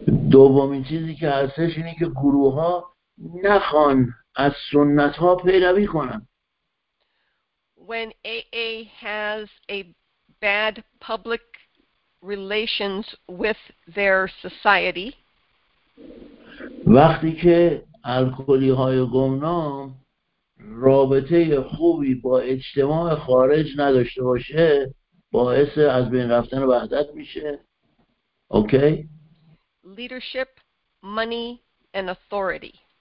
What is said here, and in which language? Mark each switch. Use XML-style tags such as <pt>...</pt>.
<fa>دومین چیزی که هستش اینه که گروه ها نخوان از سنت ها پیروی کنن.</fa> <en>When AA has a bad public relations with their society.</en> <fa>وقتی که الکلی های گمنام رابطه خوبی با اجتماع خارج نداشته باشه باعث از بین رفتن وحدت میشه. اوکی؟</fa> <en>Leadership, money and authority.</en>